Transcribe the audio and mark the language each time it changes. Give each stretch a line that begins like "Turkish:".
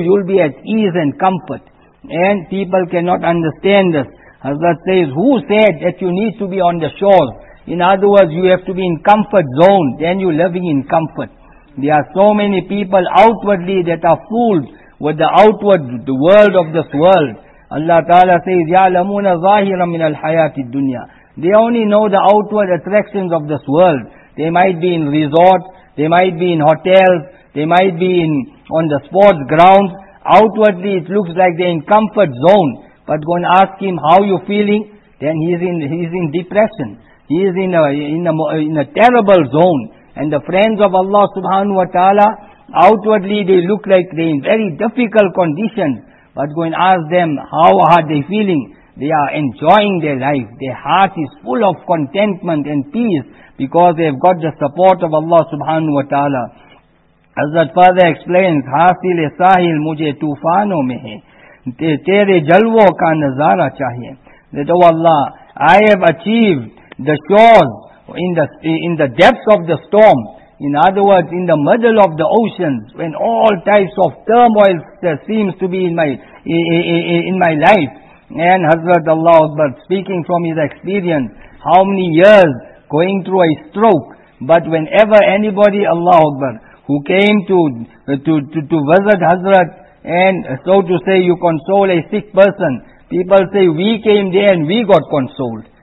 English: You'll be at ease and comfort. And people cannot understand this. Hazrat says, who said that you need to be on the shores? In other words, you have to be in comfort zone, then you're living in comfort. There are so many people outwardly that are fooled with the outward, the world of this world. Allah Ta'ala says,
Arabic: يَعْلَمُونَ ظَاهِرًا مِنَ الْحَيَاةِ الدُّنْيَا.
English: They only know the outward attractions of this world. They might be in resort, they might be in hotels, they might be on the sports grounds. Outwardly it looks like they're in comfort zone. But go and ask him, how you feeling? Then he's in depression. He is in a terrible zone. And the friends of Allah subhanahu wa ta'ala, outwardly they look like they're in very difficult conditions. But go and ask them, how are they feeling? They are enjoying their life. Their heart is full of contentment and peace because they've got the support of Allah subhanahu wa ta'ala. Hazrat further explains,
Urdu: حاصل ساحل مجھے طوفانوں میں ہے تیرے جلووں کا نظارہ چاہیے.
English: That, oh Allah, I have achieved the shores in the depths of the storm. In other words, in the middle of the oceans, when all types of turmoil seems to be in my life. And Hazrat Allah Akbar, speaking from his experience, how many years going through a stroke, but whenever anybody, Allah Akbar, who came to visit Hazrat, and so to say, you console a sick person, people say, we came there and we got consoled.